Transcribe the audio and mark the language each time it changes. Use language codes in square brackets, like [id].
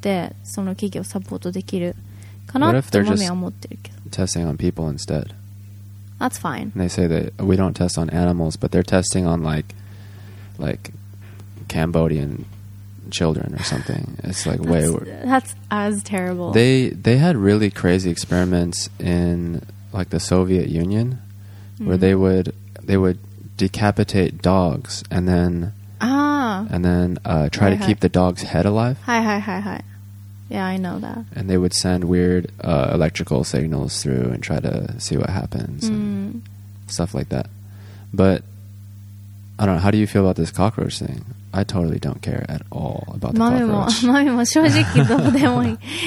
[ja] だから、別にね、全部の製品を動物実験してない企業のに変える必要は別にないと思うんだけど、なんかその動物実験してませんって言ってる会社があったら、なんかどっちでもいいような製品だったら、まあそっちの選ぶことによって、その企業をサポートできるかなって。 [en] What if they're just testing on people instead? That's fine. And they say that we don't test on animals, but they're testing on like Cambodian children or something. It's like way worse. That's as terrible. They had really crazy experiments in like the Soviet Union, mm-hmm. where they would decapitate dogs and then try to keep the dog's head alive. Hi. Yeah, I know that. And they would send weird electrical signals through and try to see what happens and stuff like that. But I don't know. How do you feel about this cockroach thing? I totally don't care at all about the cockroach. [ja] マミも正直どうでもいい。